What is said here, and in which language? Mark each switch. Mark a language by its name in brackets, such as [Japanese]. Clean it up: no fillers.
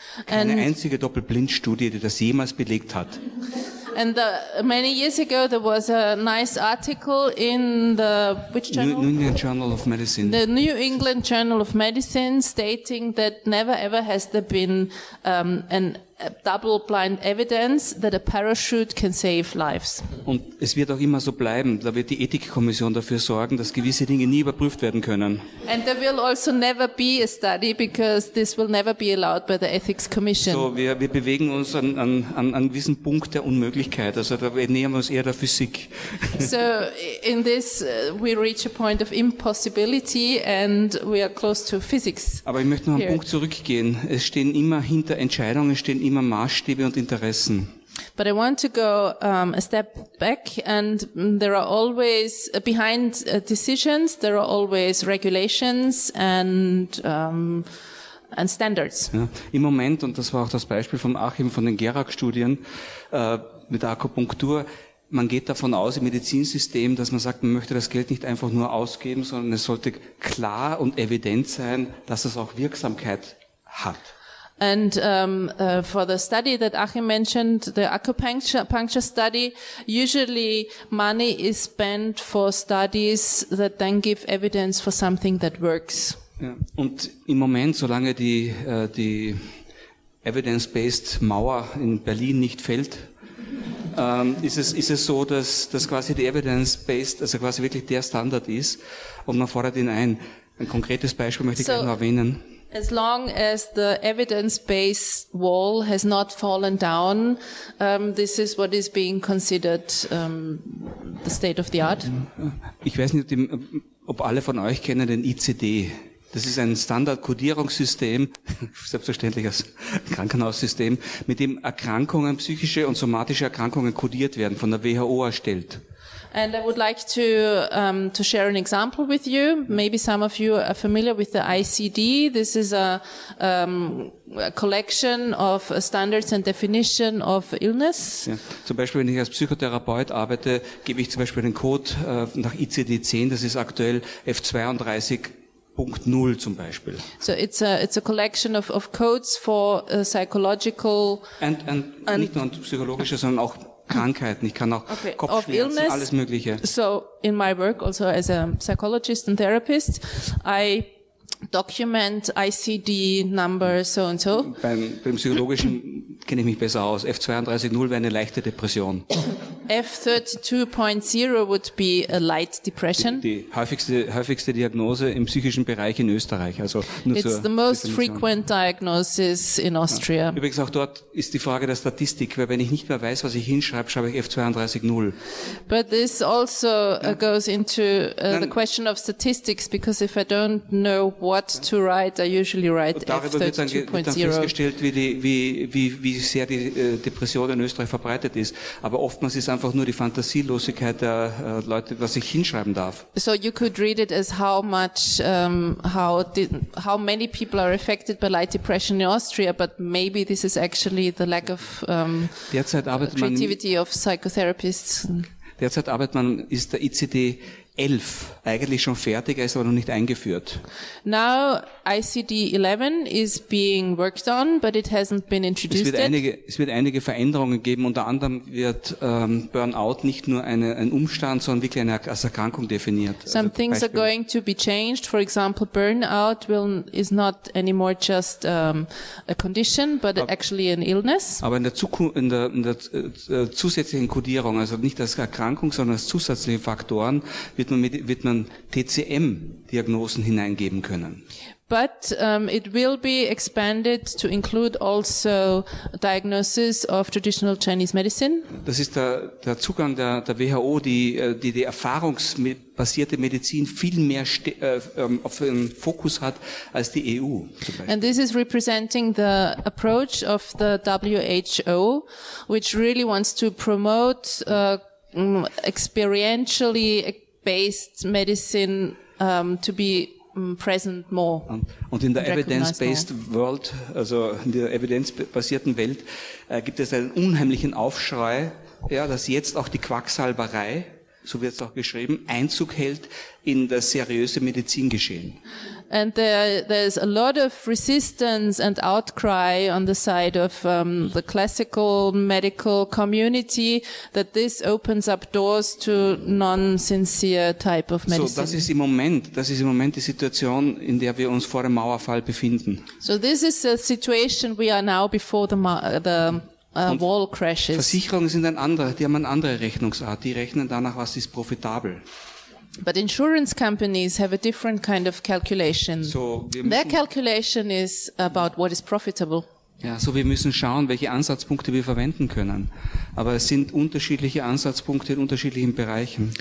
[German] Keine einzige Doppelblindstudie, die das jemals belegt hat. [English] And many years ago, there was a nice article in the, which journal? New England Journal of Medicine. The New England Journal of Medicine stating that never ever has there been a double-blind evidence that a parachute can save lives. [German] Und es wird auch immer so bleiben. Da wird die Ethikkommission dafür sorgen, dass gewisse Dinge nie überprüft werden können. [English] And there will also never be a study because this will never be allowed by the Ethics Commission. [German] So, wir bewegen uns an einem gewissen Punkt der Unmöglichkeit. Also da nähern wir uns eher der Physik. [English] So, in this we reach a point of impossibility and we are close to physics. [German] Aber ich möchte noch einen here. Punkt zurückgehen. Es stehen immer hinter Entscheidungen, stehen immer Maßstäbe und Interessen. [English] But I want to go a step back and there are always behind decisions, there are always regulations and standards. [German] Ja, im Moment, und das war auch das Beispiel von Achim von den Gerak-Studien mit der Akupunktur, man geht davon aus im Medizinsystem, dass man sagt, man möchte das Geld nicht einfach nur ausgeben, sondern es sollte klar und evident sein, dass es auch Wirksamkeit hat. [English] And for the study that Achim mentioned, the acupuncture study, usually money is spent for studies that then give evidence for something that works. [German] Ja. Und im Moment, solange die evidence-based Mauer in Berlin nicht fällt, ist es so, dass quasi die evidence-based, also quasi wirklich der Standard ist und man fordert ihn ein. Ein konkretes Beispiel möchte ich gerne noch erwähnen. [English] As long as the evidence-based wall has not fallen down, this is what is being considered the state of the art. [German] Ich weiß nicht, ob alle von euch kennen den ICD. Das ist ein Standard-Kodierungssystem, selbstverständlich als Krankenhaussystem, mit dem Erkrankungen, psychische und somatische Erkrankungen kodiert werden, von der WHO erstellt. [English] And I would like to share an example with you. Maybe some of you are familiar with the ICD. This is a collection of standards and definition of illness. [German] Ja. Zum Beispiel, wenn ich als Psychotherapeut arbeite, gebe ich zum Beispiel den Code nach ICD-10. Das ist aktuell F32.0 zum Beispiel. [English] So it's a collection of codes for psychological and [German] nicht nur psychologische, sondern auch Krankheiten, ich kann auch Kopfschmerzen, [English] illness, [German] alles Mögliche. [English] So, in my work also as a psychologist and therapist, I document ICD number so and so. [German] Beim Psychologischen kenne ich mich besser aus. F32.0 wäre eine leichte Depression. [English] F32.0 would be a light depression. [German] Die häufigste Diagnose im psychischen Bereich in Österreich. Also nur [English] it's the most frequent diagnosis in Austria. [German] Ja. Übrigens auch dort ist die Frage der Statistik, weil wenn ich nicht mehr weiß, was ich hinschreibe, schreibe ich F32.0. [English] But this also goes into the question of statistics, because if I don't know what to write, I usually write F32.0. [German] Darüber wird dann festgestellt, wie sehr die Depression in Österreich verbreitet ist. Aber oftmals ist einfach nur die Fantasielosigkeit der Leute, was ich hinschreiben darf. [English] So you could read it as how many people are affected by light depression in Austria, but maybe this is actually the lack of creativity of psychotherapists. [German] Derzeit arbeitet man, ist der ICD-11 eigentlich schon fertig, ist aber noch nicht eingeführt. [English] Now ICD-11 is being worked on, but it hasn't been introduced yet. [German] Es wird einige Veränderungen geben. Unter anderem wird Burnout nicht nur ein Umstand, sondern wirklich als Erkrankung definiert. [English] Some things are going to be changed. For example, burnout is not anymore just a condition, but actually an illness. [German] Aber in der zusätzlichen Kodierung, also nicht als Erkrankung, sondern als zusätzliche Faktoren, wird man TCM-Diagnosen hineingeben können. [English] But it will be expanded to include also a diagnosis of traditional Chinese medicine. [German] Das ist der Zugang der WHO, die erfahrungsbasierte Medizin viel mehr auf den Fokus hat als die EU. [English] And this is representing the approach of the WHO, which really wants to promote experientially based medicine to be present more. [German] Und in der evidence-based world, also in der evidenzbasierten Welt, gibt es einen unheimlichen Aufschrei, ja, dass jetzt auch die Quacksalberei, so wird es auch geschrieben, Einzug hält in das seriöse Medizingeschehen. [English] And there's a lot of resistance and outcry on the side of the classical medical community that this opens up doors to non-sincere type of medicine. [German] So das ist im Moment die Situation, in der wir uns vor dem Mauerfall befinden. [English] So this is a situation we are now before the wall crashes. [German] Versicherungen sind die haben eine andere Rechnungsart. Die rechnen danach, was ist profitabel. [English] But insurance companies have a different kind of calculation. So their calculation is about what is profitable. [German] Ja, so wir müssen schauen, welche Ansatzpunkte wir verwenden können. Aber es sind unterschiedliche Ansatzpunkte in unterschiedlichen Bereichen.